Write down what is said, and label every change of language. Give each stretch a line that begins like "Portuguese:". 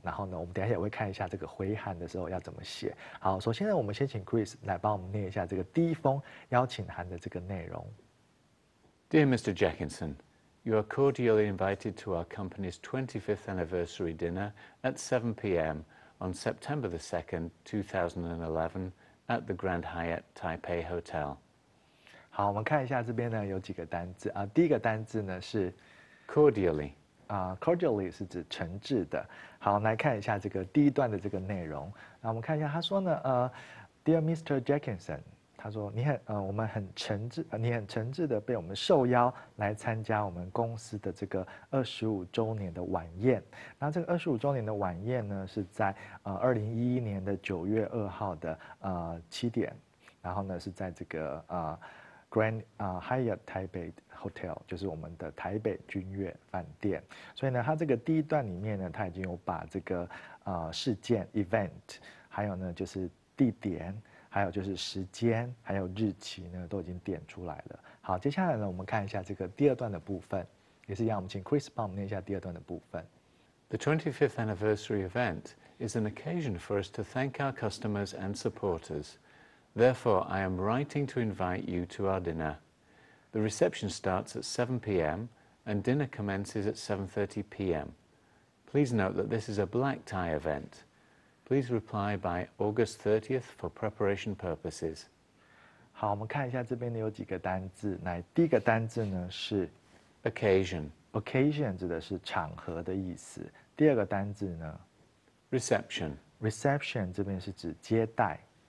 Chinese: 然后呢，我们等一下也会看一下这个回函的时候要怎么写。好，首先呢，我们先请 Chris 来帮我们念一下这个第一封邀请函的这个内容。
English: Dear Mr. Jackinson。 You are cordially invited to our company's 25th anniversary dinner at 7 p.m. on September the 2nd, 2011 at the Grand Hyatt Taipei Hotel.
Chinese: 好，我们看一下这边呢有几个单字啊。第一个单字呢是
English: cordially。
Chinese: Cordially 是指诚挚的。好，来看一下这个第一段的这个内容。那我们看一下，他说呢，Dear Mr. Jackinson。他说你很我们很诚挚你很诚挚的被我们受邀来参加我们公司的这个25周年的晚宴。那这个25周年的晚宴呢是在2011年的9月2号的7点，然后呢是在这个Grand Hyatt Taipei Hotel， 就是我们的台北君悦饭店。所以呢他这个第一段里面呢，他已经有把这个事件 event， 还有呢就是地点，还有就是时间，还有日期呢，都已经点出来了。好，接下来呢，我们看一下这个第二段的部分，也是一样，我们请 Chris 帮我们念一下第二段的部分。
English: The 25th anniversary event is an occasion for us to thank our customers and supporters. Therefore, I am writing to invite you to our dinner. The reception starts at 7 p.m. and dinner commences at 7:30 p.m. Please note that this is a black tie event. Please reply by August 30th for preparation purposes.
Chinese: 好，我们看一下这边呢有几个单字。来，第一个单字呢是
English: occasion。
Chinese: Occasion 指的是场合的意思。第二个单字呢
English: ，reception。
Chinese: Reception 这边是指接待。